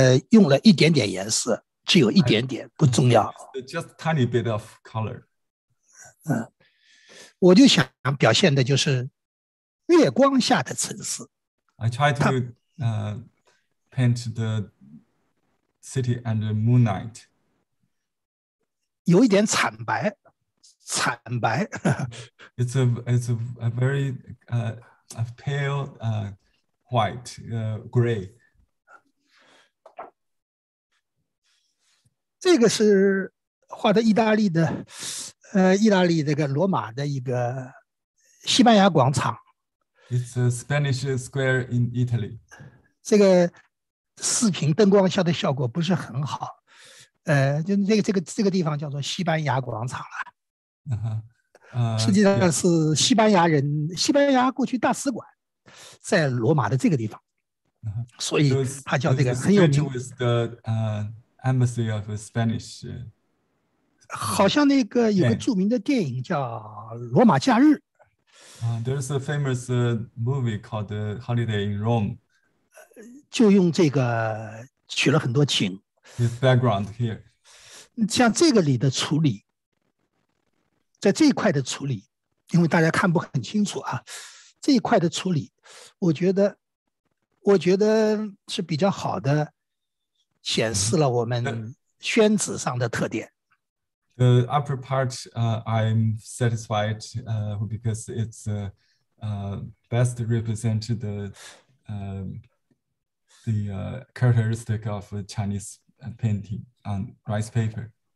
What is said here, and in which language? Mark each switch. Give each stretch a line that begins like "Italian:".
Chinese: 用了一点点颜色，只有一点点，不重要。
English: Just tiny bit of color.
Chinese: 我就想表现的就是月光下的城市。
English: I try to paint the city under moonlight.
Chinese: 有一点惨白，惨白。
English: It's a very a pale white gray.
Chinese: 这个是画的意大利的。意大利这个罗马的一个西班牙广场。
English: It's a Spanish square in Italy.
Chinese: 这个视频灯光下的效果不是很好。就这个地方叫做西班牙广场了。实际上是西班牙人、西班牙过去大使馆在罗马的这个地方。所以他叫这个很有名。
English: It's the embassy of Spanish.
Chinese: 好像那个有个著名的电影叫《罗马假日》。
English: There's a famous movie called The Holiday in Rome.
Chinese: 就用这个取了很多景。
English: The background here.
Chinese: 像这个里的处理，在这一块的处理，因为大家看不很清楚啊，这一块的处理，我觉得是比较好的，显示了我们宣纸上的特点。
English: The upper part, I'm satisfied because it's best represented the characteristic of Chinese painting on rice paper.